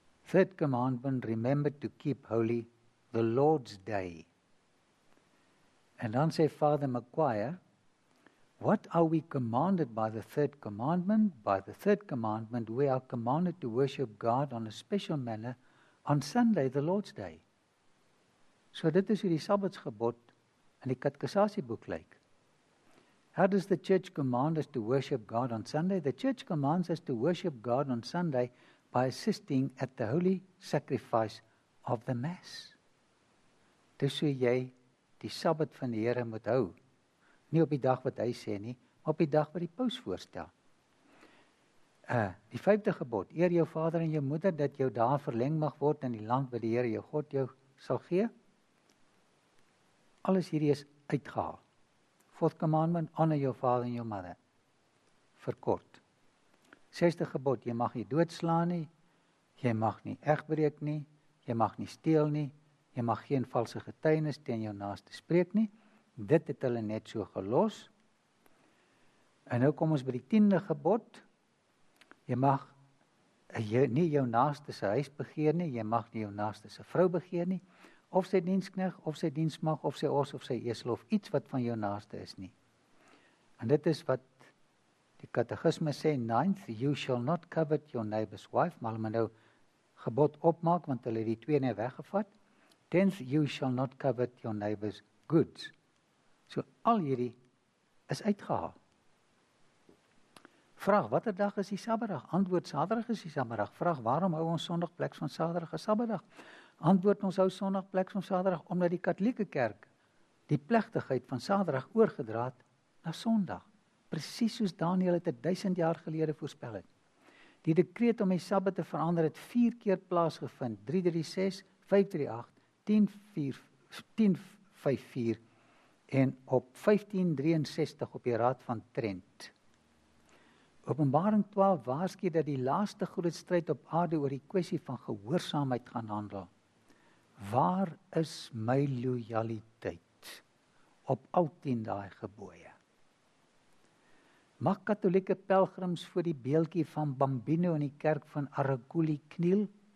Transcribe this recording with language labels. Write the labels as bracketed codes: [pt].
[en] Third commandment, remember to keep holy the Lord's day. [af] En dan sê [en] Father McGuire, what are we commanded by the third commandment? By the third commandment, we are commanded to worship God on a special manner on Sunday, the Lord's Day. [af] So dit is hoe die Sabbatsgebod in die katkassasieboek lyk. [en] How does the church command us to worship God on Sunday? The church commands us to worship God on Sunday by assisting at the holy sacrifice of the Mass. [af] Dis hoe jy die Sabbat van die Here moet hou. Nie op die dag wat hy sê nie, maar op die dag wat die paus voorstel. Die vyfde gebod, eer jou vader en jou moeder, dat jou dae verleng mag word in die land wat die Here jou God jou sal gee. Alles hierdie is uitgehaal. [en] Fourth commandment, honor your father and your mother. [af] Verkort. Sesde gebod, jy mag nie doodslaan nie, jy mag nie egbreek nie, jy mag nie steel nie, jy mag geen valse getuienis teen jou naaste spreek nie. Dit het hulle net so gelos. En nou kom ons by die tiende gebod. Jy mag nie jou naaste se huis begeer nie, jy mag nie jou naaste se vrou begeer nie, of sy dienskneg, of sy diensmag, of sy os, of sy esel, of iets wat van jou naaste is nie. En dit is wat die katechismus sê, [en] ninth, you shall not covet your neighbor's wife, [af] maar hulle moet nou gebod opmaak, want hulle het die twee nie weggevat. [en] Tenth, you shall not covet your neighbor's goods. [af] So al hierdie is uitgehaal. Vraag, watter dag is die Sabbatdag? Antwoord, Saterdag is die Sabbatdag. Vraag, waarom hou ons Sondag plek van Saterdag as Sabbatdag? Antwoord, ons hou Sondag plek van Saterdag omdat die katolieke kerk die plegtigheid van Saterdag oorgedra het na Sondag. Precies soos Daniël het 1000 jaar gelede voorspel het. Die dekreet om die Sabbat te verander het 4 keer plaasgevind. 336, 538, 1054 en op 1563 op die Raad van Trent. Openbaring 12 waarsku dat die laaste groot stryd op aarde oor die kwessie van gehoorsaamheid gaan handel. Waar is my loyaliteit op al 10 daai gebooie? Mag katolieke pelgrims voor die beeldjie van Bambino in die kerk van Araculi kniel?